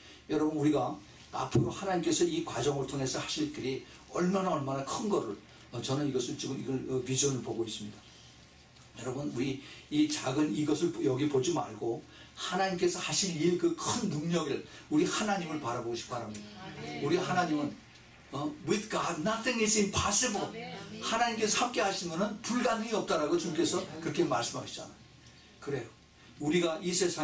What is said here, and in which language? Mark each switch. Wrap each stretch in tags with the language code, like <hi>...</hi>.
<ko>여러분 우리가 앞으로 하나님께서 이 과정을 통해서 하실 일이 얼마나 큰 거를 저는 이것을 지금 이걸 비전을 보고 있습니다. 여러분 우리 이 작은 이것을 여기 보지 말고 하나님께서 하실 일 그 큰 능력을 우리 하나님을 바라보시기 바랍니다. 우리 하나님은</ko> <en>with God nothing is impossible.</en> <ko>하나님께서 함께 하시면은 불가능이 없다라고 주님께서 그렇게 말씀하시잖아요. 그래요. 우리가 이 세상에</ko>